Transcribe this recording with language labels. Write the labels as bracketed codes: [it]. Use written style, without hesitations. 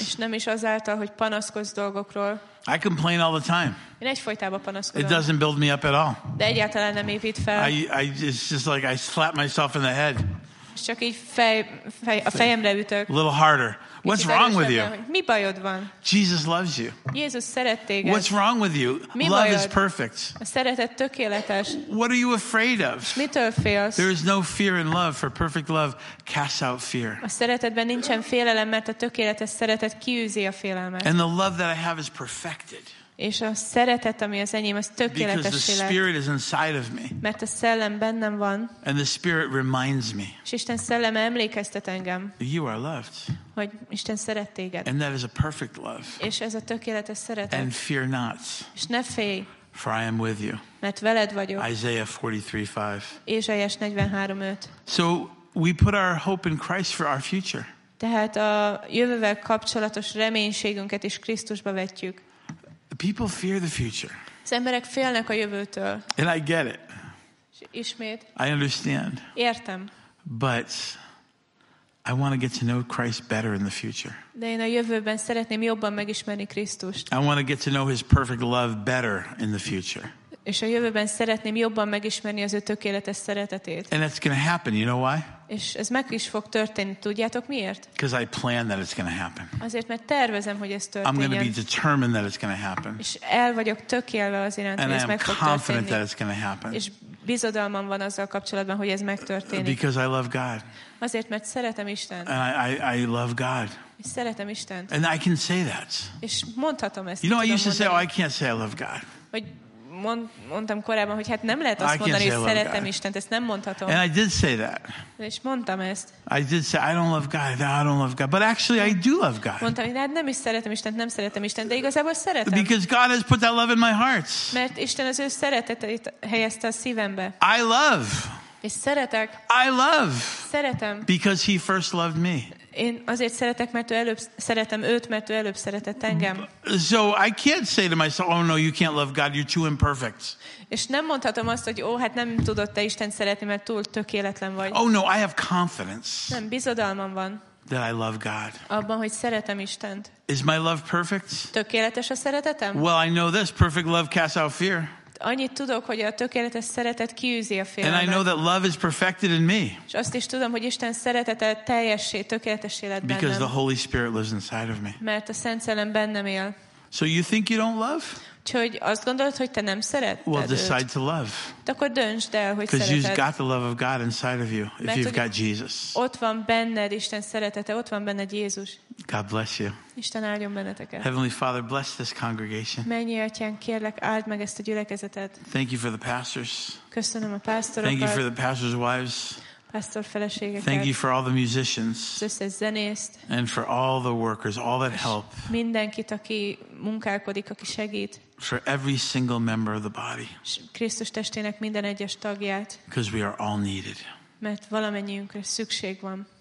[hu] És nem is azáltal, hogy panaszkodsz dolgokról. [en] I complain all the time. [hu] Én egyfolytában panaszkodom. [en] It doesn't build me up at all. [hu] De egyáltalán nem épít fel. [en] It's just like I slap myself in the head. [hu] És csak így a fejemre ütök. [en] A little harder. What's wrong with you? [hu] Mi bajod van? [en] Jesus loves you. [hu] Jézus szeret téged. [en] What's wrong with you? [hu] Mi [en] love [hu] bajod? [en] Is perfect. [hu] A szeretet tökéletes. [en] What are you afraid of? [hu] Mitől félsz? [en] There is no fear in love, for perfect love casts out fear. [hu] A szeretetben nincsen félelem, mert a tökéletes szeretet kiűzi a félelmet. [en] And the love that I have is perfected. [hu] És a szeretet, ami az enyém, az tökéletes élet. [en] Because the Spirit is inside of me. [hu] Mert a szellem bennem van. [en] And the Spirit reminds me. [hu] És Isten szelleme emlékeztet engem. [en] You are loved. [hu] Hogy Isten szeret téged. [en] And that is a perfect love. [hu] És ez a tökéletes szeretet. [en] And fear not. [hu] És ne félj. [en] For I am with you. [hu] Mert veled vagyok. [en] Isaiah 43:5. [hu] Ézsaiás 43:5. [en] So we put our hope in Christ for our future. [hu] Tehát a jövővel kapcsolatos reménységünket is Krisztusba vetjük. [en] People fear the future. [hu] Az emberek félnek a jövőtől. [en] And I get it. [hu] Ismét. [en] I understand. [hu] Értem. [en] But I want to get to know Christ better in the future. [hu] De én a jövőben szeretném jobban megismerni Krisztust. [en] I want to get to know his perfect love better in the future. [hu] És a jövőben szeretném jobban megismerni az ő tökéletes szeretetét. [en] And it's going to happen, you know why? [hu] És ez meg is fog történni, tudjátok miért? [en] Because I plan that it's going to happen. [hu] Azért, mert tervezem, hogy ez történjen. [en] I'm going to be determined that it's going to happen. [hu] És el vagyok tökélve az iránt, [en] and [hu] hogy ez [en] I [hu] meg fog [en] confident [hu] történni. [en] That it's going to happen. [hu] És bizodalmam van azzal kapcsolatban, hogy ez megtörténik. [en] Because I love God. [hu] Azért, mert szeretem Istent. [en] And I love God. [hu] És szeretem Istent. [en] And I can say that. [hu] És mondhatom ezt. [en] You know, I used to say, oh, I can't say I love God. [hu] Hogy mondtam korábban, hogy hát nem lehet azt mondani, hogy szeretem Istent, ezt nem mondhatom. [en] And I did say that. [hu] És mondtam ezt. [en] I did say, I don't love God, I don't love God. But actually, I do love God. [hu] Mondtam, hogy hát nem is szeretem Istent, nem szeretem Istent, de igazából szeretem. [en] Because God has put that love in my heart. [hu] Mert Isten az ő szeretetét helyezte a szívembe. [en] I love. [hu] És szeretek. [en] I love. [hu] Szeretem. [en] Because he first loved me. [hu] Én azért szeretek, mert ő előbb szeretem őt, mert ő előbb szeretett engem. [en] So I can't say to myself, oh no, you can't love God, you're too imperfect. [hu] És nem mondhatom azt, hogy ó, hát nem tudod te Istent szeretni, mert túl tökéletlen vagy. [en] Oh no, I have confidence. [hu] Nem, bizodalmam van. [en] that I love God. [hu] Abban, hogy szeretem Istent. [en] Is my love perfect? [hu] Tökéletes a szeretetem? [en] Well, I know this, perfect love casts out fear. [hu] Annyit tudok, hogy a tökéletes szeretet kiűzi a félelmet. [en] And I know that love is perfected in me. [hu] És azt is tudom, hogy Isten szeretete teljessé, tökéletessé lett bennem. [en] Because the Holy Spirit lives inside of me. [hu] Mert a Szent Szellem bennem él. [en] So you think you don't love? [hu] Úgyhogy azt gondolod, hogy te nem szereted őt. [en] Well, decide to love. [hu] De akkor döntsd el, hogy szereted. [en] Because you've got the love of God inside of you, if you've got Jesus. [hu] Ott van benned Isten szeretete, ott van benned Jézus. [en] God bless you. [hu] Isten áldjon benneteket. [en] Heavenly Father, bless this congregation. [hu] Mennyi atyán, kérlek, áld meg ezt a gyülekezetet. [en] Thank you for the pastors. [hu] Köszönöm a pásztorokat. [en] Thank you for the pastors' wives. [hu] Pastor feleségeket. [en] Thank you for all the musicians. [hu] Összes zenészt. [en] And for all the workers, all that help. [hu] Mindenkit, aki munkálkodik, aki segít. [en] For every single member of the body. [hu] Krisztus testének minden egyes tagját. [en] Because we are all needed. [hu] Mert valamennyiünkre szükség van.